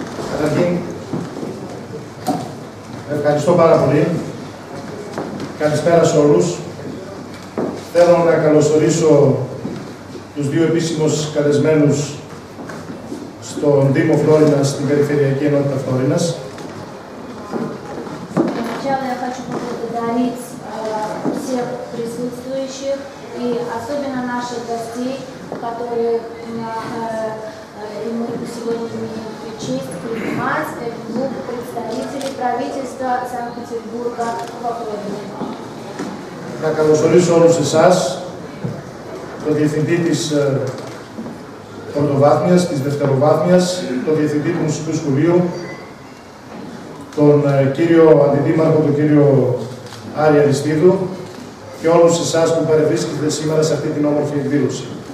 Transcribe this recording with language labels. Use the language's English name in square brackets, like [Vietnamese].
[Greek] Καταρχήν, ευχαριστώ πάρα πολύ. Καλησπέρα σε όλους. Θέλω να καλωσορίσω τους δύο επίσημους καλεσμένους στον Δήμο Φλόρινας, στην Περιφερειακή Ενότητα Φλόρινας. [Russian] Сначала я хочу поблагодарить всех присутствующих и особенно наших гостей, которые имеют сегодня честь принимать двух представителей правительства Санкт-Петербурга во Фрорине. [Greek] να καλωσορίσω όλους εσάς, τον Διευθυντή της Πρωτοβάθμιας, της Δευτεροβάθμιας, τον Διευθυντή του Μουσικού Σχολείου, τον κύριο Αντιδήμαρχο, τον κύριο Άρη Αριστίδου και όλους εσάς που παρευρίσκεται σήμερα σε αυτή την όμορφη εκδήλωση.